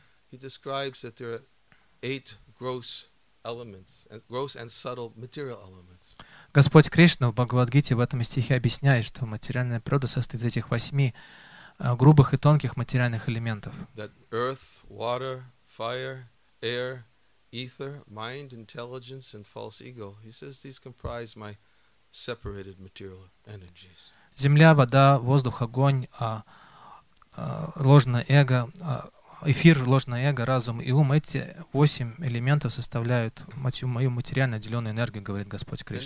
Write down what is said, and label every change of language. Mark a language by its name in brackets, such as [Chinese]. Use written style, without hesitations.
[English] He describes that there are eight gross elements, gross and subtle material elements. [Russian] Господь Кришна в Бхагавад-гите в этом стихе объясняет, что материальная природа состоит из этих восьми грубых и тонких материальных элементов. [English] That earth, water, fire, air, ether, mind, intelligence, and false ego. He says these comprise my separated material energies. [Russian] Земля, вода, воздух, огонь, ложное эго, эфир, ложное эго, разум и ум — эти восемь элементов составляют мою материально отделенную энергию, говорит Господь